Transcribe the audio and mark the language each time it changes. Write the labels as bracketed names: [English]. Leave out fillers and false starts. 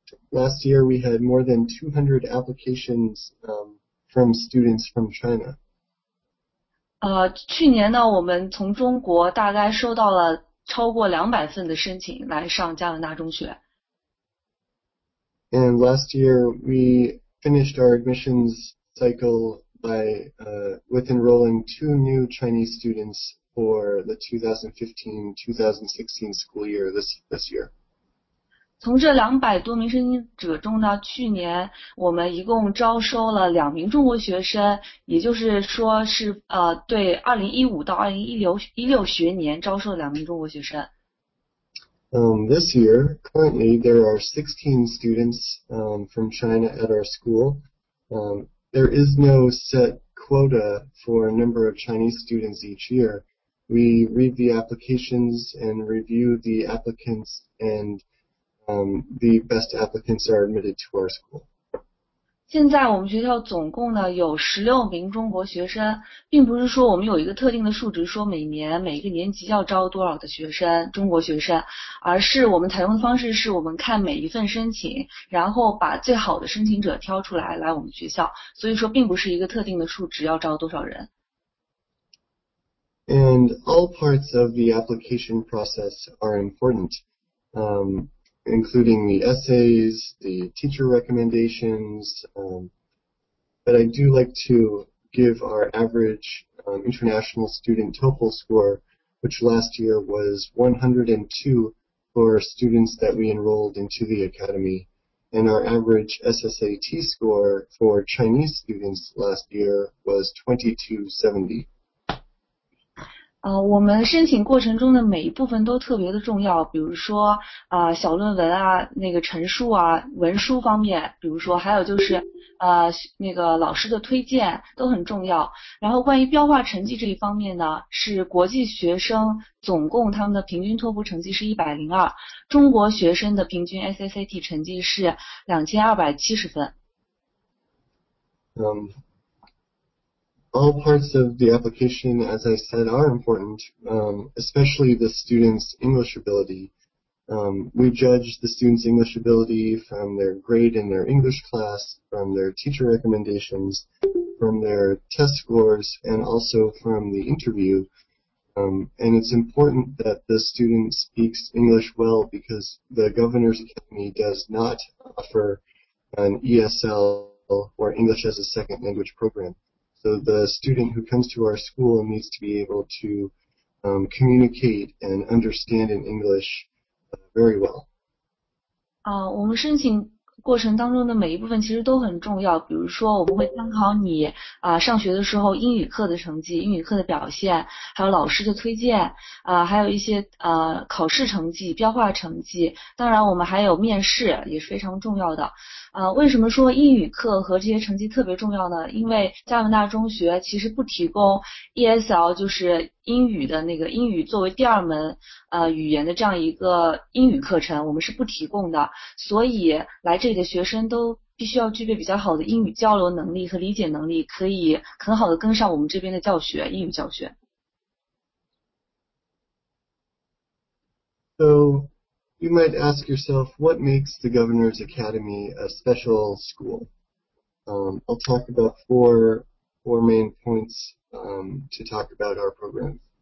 [English] Last year we had more than 200 applications. From students from China. [Chinese] 去年呢，我们从中国大概收到了超过200份的申请来上加拿大中学。 [English] And last year we finished our admissions cycle with enrolling 2 new Chinese students for the 2015-2016 school year this year. [Chinese] 从这200多名申请者中呢，去年我们一共招收了2名中国学生，也就是说是对2015-2016学年招收了2名中国学生。 [English] This year, currently there are 16 students from China at our school. There is no set quota for a number of Chinese students each year. We read the applications and review the applicants and the best applicants are admitted to our school. [Chinese] 现在我们学校总共呢有16名中国学生，并不是说我们有一个特定的数值，说每年每个年级要招多少的学生中国学生，而是我们采用的方式是我们看每一份申请，然后把最好的申请者挑出来来我们学校，所以说并不是一个特定的数值要招多少人。 [English] And all parts of the application process are important. Including the essays, the teacher recommendations, but I do like to give our average international student TOEFL score, which last year was 102 for students that we enrolled into the academy, and our average SSAT score for Chinese students last year was 2270. [Chinese] 我们申请过程中的每一部分都特别的重要，比如说小论文啊，那个陈述啊，文书方面，比如说还有就是那个老师的推荐都很重要。然后关于标化成绩这一方面呢，是国际学生总共他们的平均托福成绩是102，中国学生的平均 SSAT 成绩是2270分。 [English] All parts of the application, as I said, are important, especially the student's English ability. We judge the student's English ability from their grade in their English class, from their teacher recommendations, from their test scores, and also from the interview. And it's important that the student speaks English well because the Governor's Academy does not offer an ESL or English as a second language program. So the student who comes to our school needs to be able to communicate and understand in English very well. [Chinese] 我们申请过程当中的每一部分其实都很重要，比如说我们会参考你上学的时候英语课的成绩、英语课的表现，还有老师的推荐，还有一些考试成绩、标化成绩，当然我们还有面试，也是非常重要的。为什么说英语课和这些成绩特别重要呢？因为加拿大中学其实不提供 ESL， 就是英语的那个英语作为第二门语言的这样一个英语课程，我们是不提供的，所以来这里的学生都必须要具备比较好的英语交流能力和理解能力，可以很好的跟上我们这边的教学，英语教学。 [English] So you might ask yourself, what makes the Governor's Academy a special school? I'll talk about four main points to talk about our program.